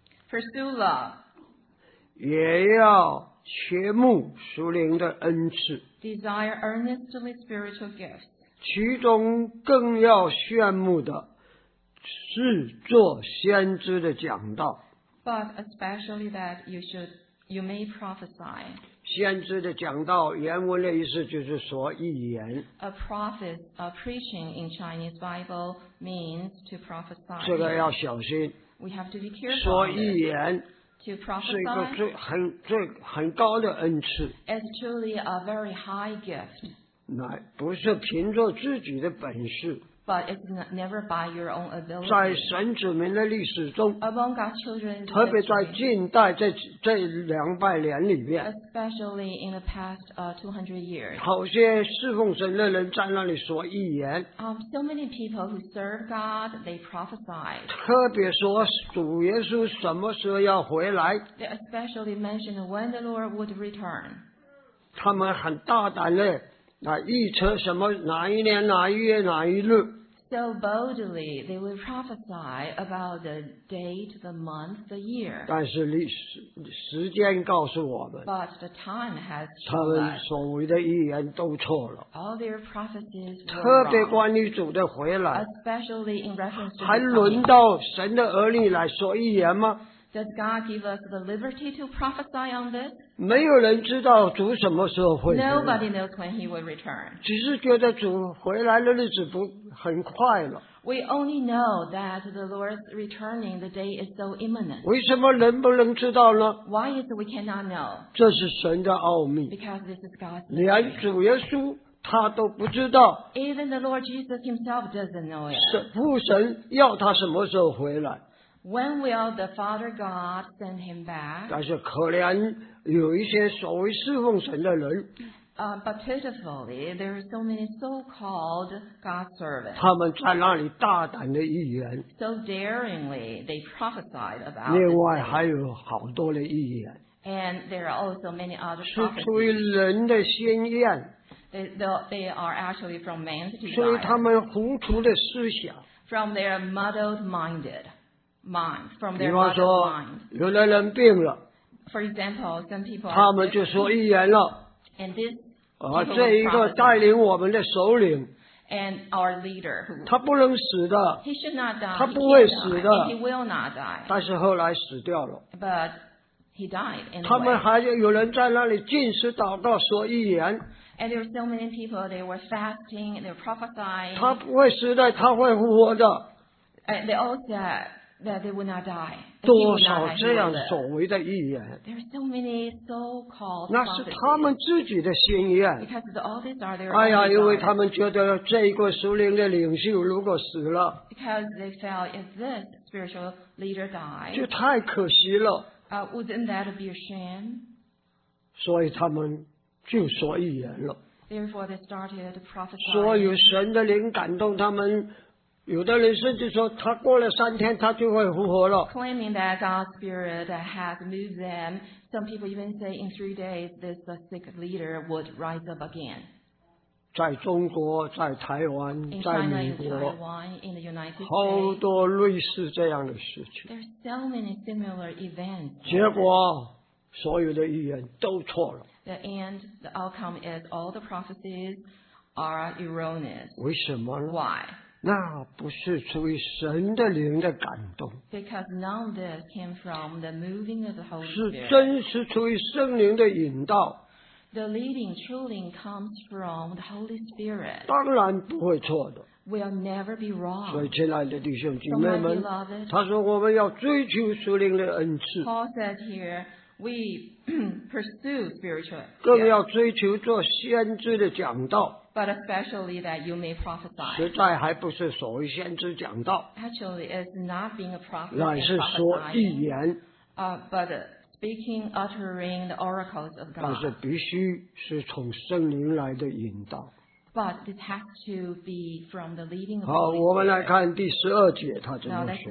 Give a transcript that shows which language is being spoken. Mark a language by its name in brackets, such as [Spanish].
[English] Pursue love. [Chinese] 也要切慕属灵的恩赐。 [English] Desire earnestly spiritual gifts. [Chinese] 其中更要炫目的是做先知的讲道。 [English] But especially that you should, you may prophesy. [Chinese] 先知的讲道，原文的意思就是说预言。 [English] A prophet, a preaching in Chinese Bible means to prophesy. [Chinese] 这个要小心。 [English] We have to be careful. [Chinese] 说预言。 [English] To prophesy, [Chinese] 是一个很高的恩赐。 [English] It's truly a very high gift. [Chinese] 乃不是凭着自己的本事 [English] But it's never by your own ability. [Chinese] 在神子民的历史中 [English] Among God's children, [Chinese] 特别在近代 这两百年里面 [English] Especially in the past 200 years [Chinese] 好些侍奉神的人在那里说预言 [English] So many people who serve God, they prophesy [Chinese] 特别说主耶稣什么时候要回来 [English] They especially mention when the Lord would return [Chinese] 他们很大胆的预测什么哪一年哪一月哪一日 [English] So boldly they will prophesy about the date, the month, the year [Chinese] 但是历史时间告诉我们 [English] But the time has shown us [Chinese] 他们所谓的预言都错了 [English] All their prophecies were [Chinese] 特别关于主的回来 [English] Especially in reference to [Chinese] 还轮到神的儿女来说预言吗 [English] Does God give us the liberty to prophesy on this? [Chinese] 没有人知道主什么时候会回来。 [English] Nobody knows when he will return. [Chinese] 只是觉得主回来的日子不很快了。 [English] We only know that the Lord's returning, the day is so imminent. [Chinese] 为什么人不能知道呢 [English] ？Why is we cannot know? [Chinese] 这是神的奥秘。 [English] Because this is God's mystery. [Chinese] 连主耶稣他都不知道。 [English] Even the Lord Jesus himself doesn't know it. [Chinese] 父神要他什么时候回来 [English] ？When will the Father God send him back? [Chinese] 但是可怜。有一些所谓侍奉神的人 [English] but pitifully, there are so many so-called God's servants. [Chinese] 他们在那里大胆的预言。 [English] So daringly, they prophesied about. [Chinese] 另外还有好多的预言。 [English] And there are also many other prophecies. [Chinese] 是出于人的心愿。 [English] They are actually from man's desire. [Chinese] 出于他们糊涂的思想。 [English] From their muddled-minded mind. From their [Chinese] 比方说，有的人病了。 [English] For example, some people [Chinese] 他们就说预言了 [English] and this [Chinese] 这一个带领我们的首领 [English] and our leader. [Chinese] 他不能死的。 [English] He should not die. [Chinese] 他不会死的。 [English] He will not die. [Chinese] 但是后来死掉了。 [English] But he died. [Chinese] 他们还有人在那里禁食祷告说预言。 [English] And there were so many people. They were fasting. They were prophesying. [Chinese] 他不会死的，他会复活的。 [English] And they all said that they would not die. [Chinese] 多少这样所谓的预言？ [English] There are so many so-called [Chinese] prophecies. 那是他们自己的心愿。 [English] Because all these are their. [Chinese] 哎呀，因为他们觉得这个属灵的领袖如果死了， [English] because they felt if this spiritual leader died, [Chinese] 就太可惜了。 [English] Wouldn't that be a shame? [Chinese] 所以他们就说预言了。 [English] Therefore, they started prophesying. [Chinese] 所以神的灵感动他们。有的人甚至说他过了三天他就会复活了。 [English] Claiming that God's spirit has moved them, some people even say in 3 days this sick leader would rise up again. [Chinese] 在中国，在台湾，在美国， [English] in China, in Taiwan, in the United States, [Chinese] 好多类似这样的事情。 [English] There are so many similar events. [Chinese] 结果所有的预言都错了。 [English] The end, the outcome is all the prophecies are erroneous. [Chinese] 为什么呢？ [English] Why? [Chinese] 那不是出于神的灵的感动， [English] because none of this came from the moving of the Holy Spirit. [Chinese] 是真实出于圣灵的引导。 [English] The leading truly comes from the Holy Spirit. [Chinese] 当然不会错的。 [English] Will never be wrong. [Chinese] 所以亲爱的弟兄姐妹们， [English] so、beloved, [Chinese] 他说我们要追求属灵的恩赐。 [English] Paul said here, we pursue spiritual. [Chinese] 更要追求做先知的讲道。 [English] But especially that you may prophesy. [Chinese] 实在还不是所谓先知讲道。 [English] Actually, it's not being a prophet. [Chinese] 乃是说预言。 [English] But speaking, uttering the oracles of God. [Chinese] 但是必须是从圣灵来的引导。 [English] But it has to be from the leading of God. [Chinese] 好，我们来看第十二节，他怎么说。